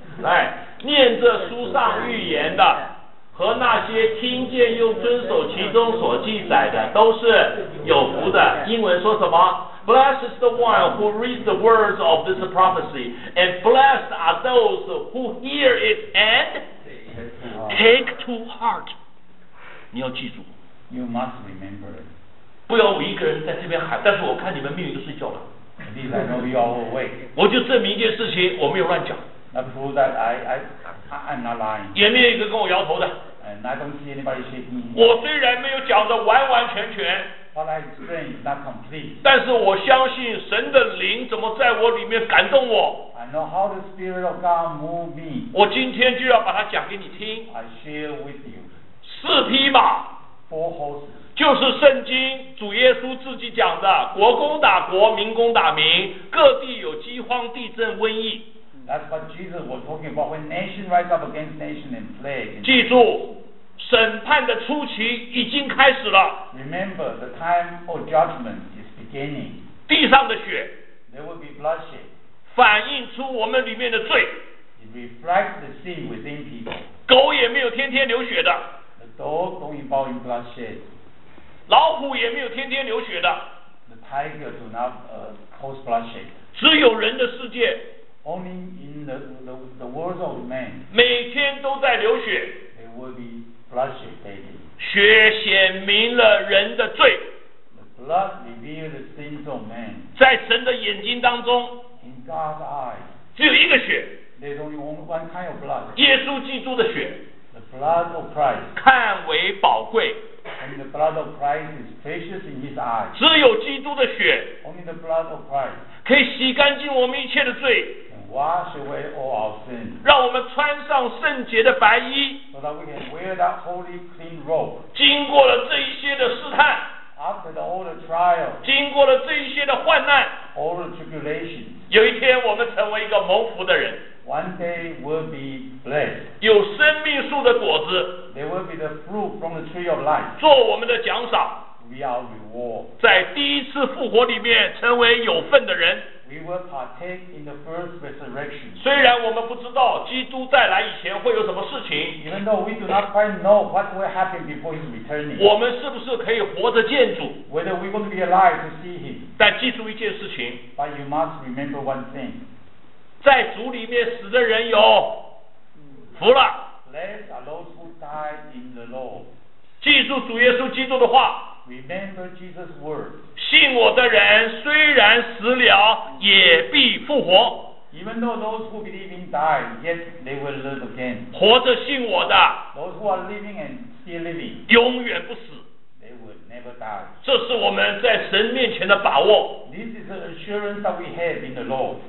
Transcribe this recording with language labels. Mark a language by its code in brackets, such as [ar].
[zh] 来，念这书上预言的，和那些听见又遵守其中所记载的，都是有福的。英文说什么 [en] ？Blessed is the one who reads the words of this prophecy, and blessed are those who hear it and take to heart. [zh] 你要记住。 [en] You must remember. [zh] 不要我一个人在这边喊，但是我看你们命运都睡觉了。 [en] Please, I know you all awake. [zh] 我就证明一件事情，我没有乱讲。 [en] That proves that I'm not lying. [zh] 也没有一个跟我摇头的。 [en] And I don't see anybody shaking. [zh] 我虽然没有讲的完完全全。 [en] What I explained is not complete. [zh] 但是我相信神的灵怎么在我里面感动我。 [en] I know how the Spirit of God moved me. [zh] 我今天就要把它讲给你听。 [en] I share with you. [zh] 四匹马。 [en] Four horses. [zh] 就是圣经主耶稣自己讲的，国攻打国，民攻打民，各地有饥荒、地震、瘟疫。 [en] That's what Jesus was talking about when nation rise up against nation and plague. [zh] 记住，审判的初期已经开始了。 [en] Remember the time of judgment is beginning. [zh] 地上的血 [en] ，there will be bloodshed. [zh] 反映出我们里面的罪 [en] ，it reflects the sin within people. [zh] 狗也没有天天流血的 [en] ，the dog don't involve in bloodshed. [zh] 老虎也没有天天流血的。 [en] The tiger do not cause bloodshed. [zh] 只有人的世界。 [en] Only in the world of man. [zh] 每天都在流血。 [en] There will be bloodshed daily. [zh] 血显明了人的罪。 [en] The blood reveals the sins of man. [zh] 在神的眼睛当中。 [en] In God's eye. [zh] 只有一个血。 [en] There's only one kind of blood. [zh] 耶稣基督的血。 [en] The blood of Christ. [zh] 看为宝贵。 [en] And the blood of Christ is precious in His eyes. [zh] 只有基督的血 [en] ，Only the blood of Christ, [zh] 可以洗干净我们一切的罪 [en] ，and wash away all our sins. [zh] 让我们穿上圣洁的白衣 [en] ，so that we can wear that holy clean robe. [zh] 经过了这一些的试探 [en] ，after all the trials, [zh] 经过了这一些的患难 [en] ，all the tribulations. [zh] 有一天我们成为一个蒙福的人。 [en] One day will be blessed. [zh] 有生命树的果子。 [en] There will be the fruit from the tree of life. [zh] 做我们的奖赏。 [en] We are reward. [zh] 在第一次复活里面成为有份的人。 [en] We will partake in the first resurrection. [zh] 虽然我们不知道基督再来以前会有什么事情。 [en] Even though we do not quite know what will happen before his returning. [zh] 我们是不是可以活着见主？ [en] Whether we will be alive to see him. [zh] 但记住一件事情。 [en] But you must remember one thing. [zh] 在主里面死的人有福了。 [en] Blessed are those who die in the Lord. [zh] 记住主耶稣基督的话。 [en] Remember Jesus' words. [zh] 信我的人虽然死了，也必复活。 [en] Even though those who believe in die, yet they will live again. [zh] 活着信我的。 [en] Those who are living and still living. [zh] 永远不死。 [en] They will never die. [zh] 这是我们在神面前的把握。 [en] This is the assurance that we have in the Lord.